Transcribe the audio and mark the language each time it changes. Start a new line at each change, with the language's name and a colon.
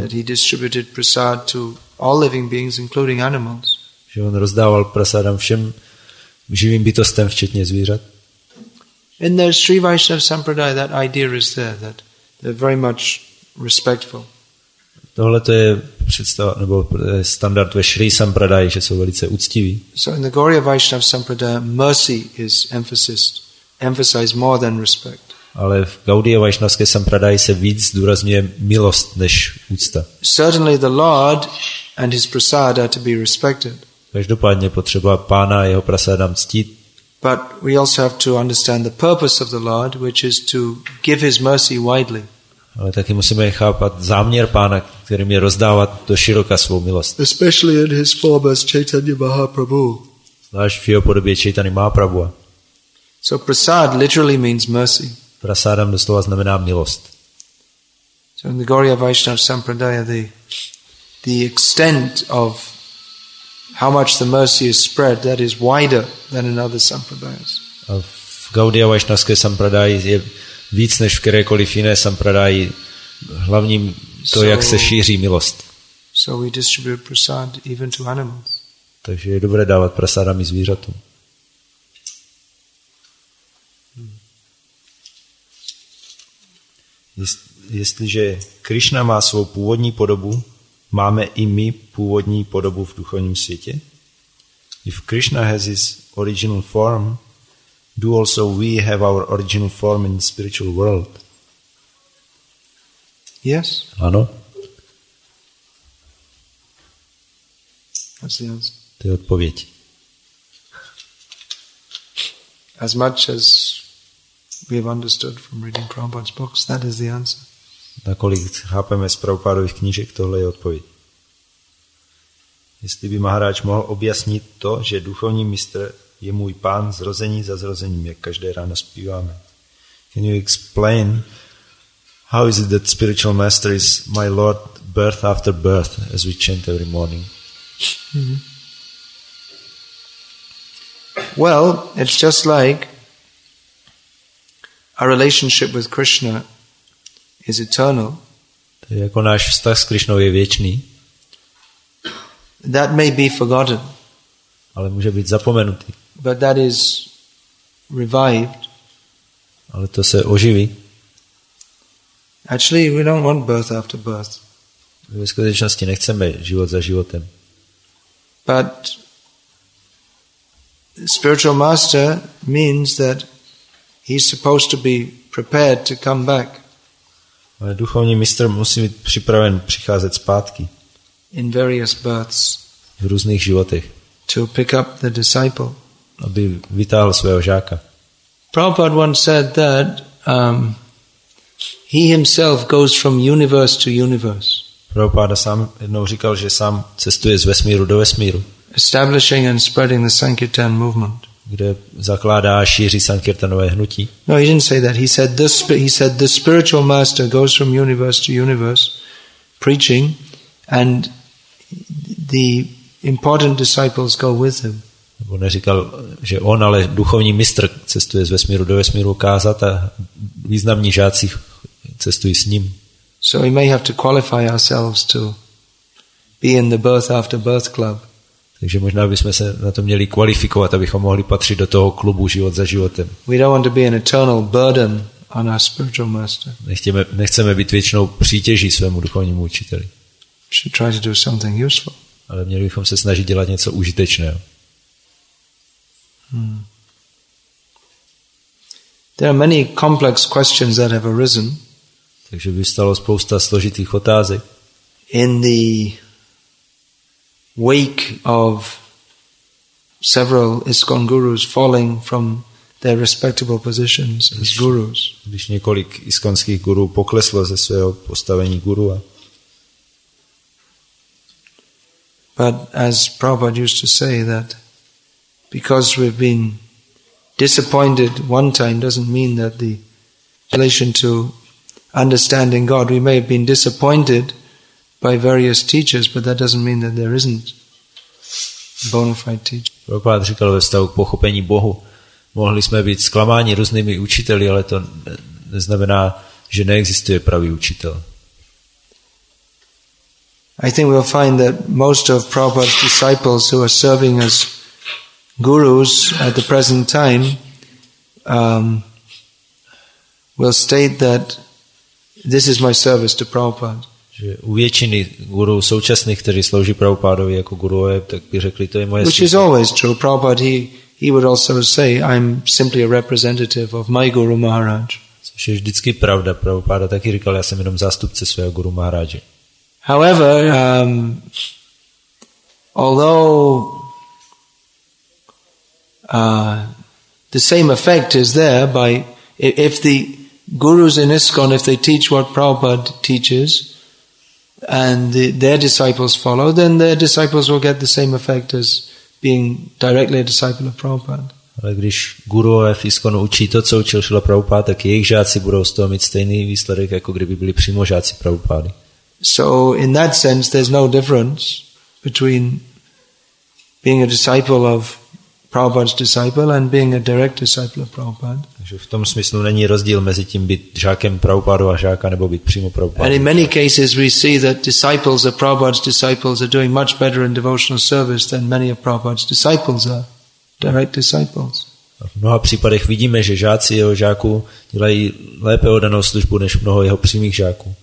English: That he distributed prasad to all living beings, including animals.
Czech: Že on rozdával prasadam všem živým bytostem, včetně zvířat.
English: In the Sri Vaishnav sampradaya that idea is there, that they're very much respectful.
Czech: Tohle to je představa nebo standard ve Shri Sampradaji, že jsou velice úctiví.
English: So in the Gaudiya Vaishnava Sampradaya, mercy is emphasized more than respect.
Czech: Ale v Gaudiya Vaishnavské Sampradaji se víc zdůrazňuje milost než úcta.
English: Certainly the Lord and his prasada to be respected.
Czech: Každopádně potřeba pána a jeho prasádám ctít.
English: But we also have to understand the purpose of the Lord, which is to give his mercy widely.
Czech: Ale taky musíme chápat záměr pána, kterým je rozdávat do široka svou milost.
English: Especially in his form as Chaitanya Mahaprabhu.
Czech: Zvlášť v jeho podobě Chaitanya Mahaprabhu.
English: So prasad literally means mercy.
Czech: Prasadam doslova znamená milost.
English: So in the Gaudiya Vaishnava Sampradaya, the extent of how much the mercy is spread, that is wider than in other sampradayas.
Czech: A v Gaudiya Vaishnavské Sampradaji je víc než v kterékoliv jiné sampradaji hlavním to, jak se šíří milost.
English: So we distribute prasad even to animals.
Czech: Takže je dobré dávat prasadam i zvířatům. Jestliže Krišna má svou původní podobu, máme i my původní podobu v duchovním světě?
English: If Krishna has his original form, do also we have our original form in the spiritual world? Yes.
Czech: Ano.
English: That's the answer.
Czech: To je odpověď.
English: As much as we have understood from reading Prabhupada's books, that is the answer.
Czech: Nakolik chápeme z Prabhupádových knížek, tohle je odpověď. Jestli by Maharaj mohl objasnit to, že duchovní mistr je můj pán zrození za zrozením, jak každé ráno zpíváme.
English: Can you explain how is it that spiritual master is my lord birth after birth, as we chant every morning? Mm-hmm. Well, it's just like our relationship with Krishna is eternal.
Czech: To je jako náš vztah s Krišnou je věčný.
English: That may be forgotten.
Czech: Ale může být zapomenutý.
English: But that is revived.
Czech: Ale to se oživí.
English: Actually, we don't want birth after birth.
Czech: Ve skutečnosti nechceme život za životem.
English: But spiritual master means that he's supposed to be prepared to come back.
Czech: Ale duchovní mistr musí být připraven přicházet zpátky.
English: In various births.
Czech: V různých životech.
English: To pick up the disciple.
Czech: Aby vytáhl svého žáka.
English: Prabhupada once said that he himself goes from universe to universe.
Czech: Prabhupada sám jednou říkal, že sám cestuje z vesmíru do vesmíru.
English: Establishing and spreading the Sankirtan movement.
Czech: Kde zakládá a šíří sankirtanové hnutí.
English: No, he didn't say that. He said the spiritual master goes from universe to universe preaching and the important disciples go with him.
Czech: On neříkal, že on, ale duchovní mistr cestuje z vesmíru do vesmíru kázat a významní žáci cestují s ním.
English: So we may have to qualify ourselves to be in the birth after birth club.
Czech: Takže možná bychom se na to měli kvalifikovat, abychom mohli patřit do toho klubu život za životem.
English: We don't want to be an eternal burden on our spiritual master.
Czech: Nechceme být věčnou přítěží svému duchovnímu učiteli.
English: We should try to do something useful.
Czech: Ale měli bychom se snažit dělat něco užitečného.
English: There are many complex questions that have arisen.
Czech: Takže vystalo spousta složitých otázek.
English: In the wake of several ISKCON gurus falling from their respectable positions as gurus.
Czech: Když několik iskonských gurů pokleslo ze svého postavení gurua.
English: But as Prabhupada used to say that because we've been disappointed one time doesn't mean that the relation to understanding God, we may have been disappointed by various teachers, but that doesn't mean that there isn't bona fide teacher.
Czech: Prabhupada říkal ve vztahu k pochopení Bohu. Mohli jsme být zklamáni různými učiteli, ale to neznamená, že neexistuje pravý učitel.
English: I think we'll find that most of Prabhupada's disciples who are serving as gurus at the present time will state that this is my service to Prabhupada.
Czech: že u většiny guru současných, kteří slouží Prabhupádovi jako guruje, tak by řekli, to je moje služba.
English: Which is always true. Prabhupada, he would also say, I'm simply a representative of my Guru Maharaj.
Czech: Což je vždycky pravda. Prabhupada taky říkal, já jsem jenom zástupce svého Guru Maharaje.
English: However, although the same effect is there by if the gurus in ISKCON, if they teach what Prabhupada teaches and their disciples follow, then their disciples will get the same effect as being directly a disciple of Prabhupada.
Czech: Ale když guruové v ISKCONu učí to, co učil Srila Prabhupada, tak jejich žáci budou z toho mít stejný výsledek, jako kdyby byli přímo žáci Prabhupady.
English: So in that sense there's no difference between being a disciple of Prabhupada's disciple and being a direct disciple of Prabhupada.
Czech: Takže v tom smyslu není rozdíl mezi tím být žákem Prabhupádova žáka nebo být přímo Prabhupádova.
English: And in many cases we see that disciples of Prabhupada's disciples are doing much better in devotional service than many of Prabhupada's disciples are direct disciples.
Czech: A v mnoha případech vidíme, že žáci jeho žáků dělají lépe oddanou službu než mnoho jeho přímých žáků.